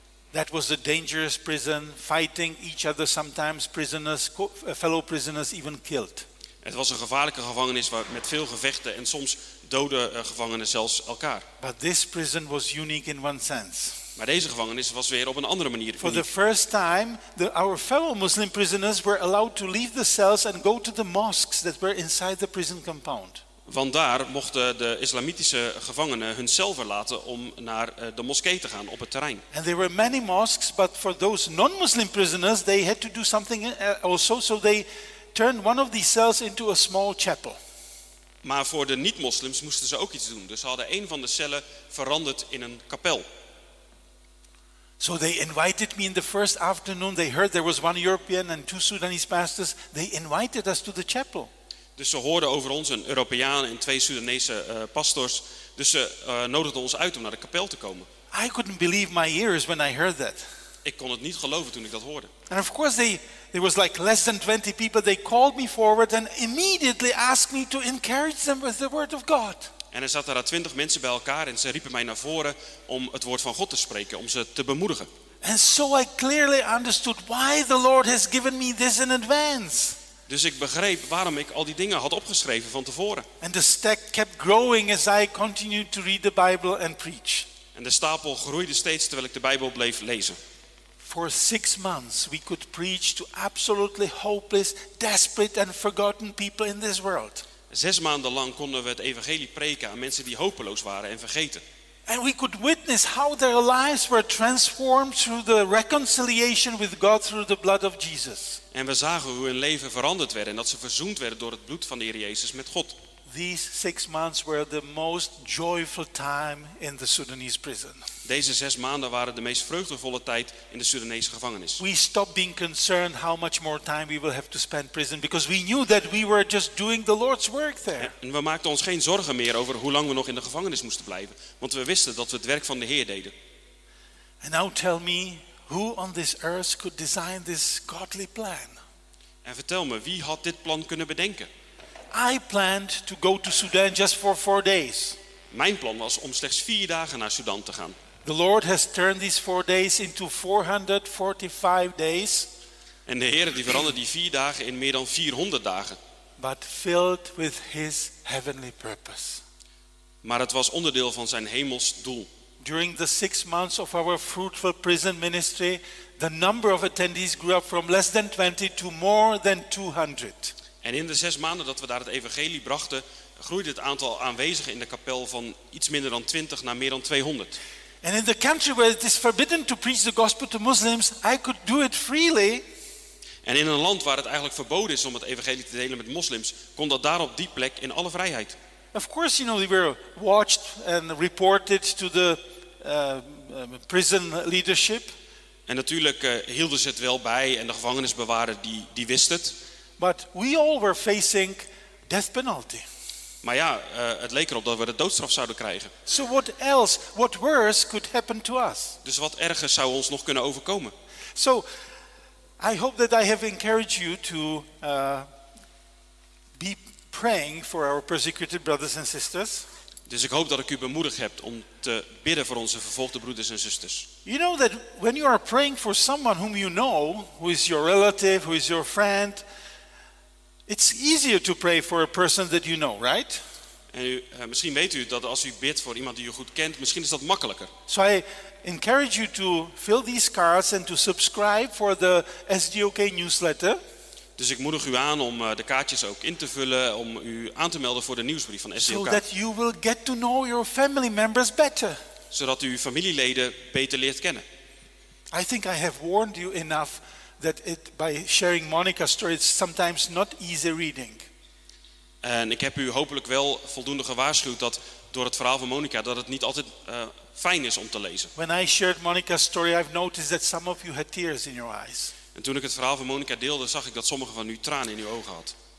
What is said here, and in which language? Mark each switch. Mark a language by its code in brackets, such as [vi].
[en] That was a dangerous prison, fighting each other sometimes, prisoners, fellow prisoners even killed. [nl] Het was een gevaarlijke gevangenis met veel gevechten en soms doden gevangenen zelfs elkaar. [en] But this prison was unique in one sense. [nl] Maar deze gevangenis was weer op een andere manier uniek. [en] For the first time, our fellow Muslim prisoners were allowed to leave the cells and go to the mosques that were inside the prison compound. [nl] Want daar mochten de islamitische gevangenen hun cel verlaten om naar de moskee te gaan op het terrein. [en] And there were many mosques, but for those non-Muslim prisoners, they had to do something also, so they turned one of these cells into a small chapel. [nl] Maar voor de niet-moslims moesten ze ook iets doen. Dus ze hadden een van de cellen veranderd in een kapel. [en] So they invited me in the first afternoon. They heard there was one European and two Sudanese pastors. They invited us to the chapel. [nl] Dus ze hoorden over ons een Europeaan en twee Soedanese pastors. Dus ze nodigden ons uit om naar de kapel te komen. [en] I couldn't believe my ears when I heard that. [nl] Ik kon het niet geloven toen ik dat hoorde. [en] And of course there was like less than 20 people. They called me forward and immediately asked me to encourage them with the word of God. [nl] En er zaten daar 20 mensen bij elkaar en ze riepen mij naar voren om het woord van God te spreken, om ze te bemoedigen. [en] And so I clearly understood why the Lord has given me this in advance. [nl] Dus ik begreep waarom ik al die dingen had opgeschreven van tevoren. [en] And the stack kept growing as I continued to read the Bible and preach. [nl] En de stapel groeide steeds terwijl ik de Bijbel bleef lezen. [en] For 6 months we could preach to absolutely hopeless, desperate and forgotten people in this world. [nl] 6 maanden lang konden we het evangelie preken aan mensen die hopeloos waren en vergeten. [en] And we could witness how their lives were transformed through the reconciliation with God through the blood of Jesus. [nl] En we zagen hoe hun leven veranderd werd en dat ze verzoend werden door het bloed van de Heer Jezus met God. [en] These 6 months were the most joyful time in the Sudanese prison. [nl] Deze 6 maanden waren de meest vreugdevolle tijd in de Soedanese gevangenis. [en] We stopped being concerned how much more time we will have to spend in prison because we knew that we were just doing the Lord's work there. [nl] En we maakten ons geen zorgen meer over hoe lang we nog in de gevangenis moesten blijven, want we wisten dat we het werk van de Heer deden. [en] And now tell me, who on this earth could design this godly plan? [nl] En vertel me, wie had dit plan kunnen bedenken? [en] I planned to go to Sudan just for 4 days. [nl] Mijn plan was om slechts 4 dagen naar Sudan te gaan. [en] The Lord has turned these 4 days into 445 days. [nl] En de Heer die veranderde die 4 dagen in meer dan 400 dagen. [en] But filled with his heavenly purpose. [nl] Maar het was onderdeel van zijn hemels doel. [en] During the 6 months of our fruitful prison ministry, the number of attendees grew up from less than 20 to more than 200. [nl] En in de 6 maanden dat we daar het evangelie brachten, groeide het aantal aanwezigen in de kapel van iets minder dan 20 naar meer dan 200. [en] And in the country where it is forbidden to preach the gospel to Muslims, I could do it freely. [nl] En in een land waar het eigenlijk verboden is om het evangelie te delen met moslims, kon dat daar op die plek in alle vrijheid. [en] Of course, you know, we were watched and reported to the prison leadership. [nl] En natuurlijk hielden ze het wel bij en de gevangenisbewaarder die wist het. [en] But we all were facing death penalty. [nl] Maar ja, het leek erop dat we de doodstraf zouden krijgen. [en] So what else, what worse could happen to us? [nl] Dus wat erger zou ons nog kunnen overkomen? [en] So I hope that I have encouraged you to be praying for our persecuted brothers and sisters. [nl] Dus ik hoop dat ik u bemoedigd heb om te bidden voor onze vervolgde broeders en zusters. [en] You know that when you are praying for someone whom you know, who is your relative, who is your friend, it's easier to pray for a person that you know, right? [nl] En u, misschien weet u dat als u bidt voor iemand die u goed kent, misschien is dat makkelijker. [en] So I encourage you to fill these cards and to subscribe for the SDOK newsletter. [nl] Dus ik moedig u aan om de kaartjes ook in te vullen, om u aan te melden voor de nieuwsbrief van SDOK. [en] So that you will get to know your family members better. [nl] Zodat u uw familieleden beter leert kennen. [en] I think I have warned you enough that it by sharing Monica's story is sometimes not easy reading. [nl] En ik heb u hopelijk wel voldoende gewaarschuwd dat door het verhaal van Monica dat het niet altijd fijn is om te lezen. [en] When I shared Monica's story, I've noticed that some of you had tears in your eyes. [nl] En toen ik het verhaal van Monica deelde, zag ik dat sommigen van u tranen in uw ogen had.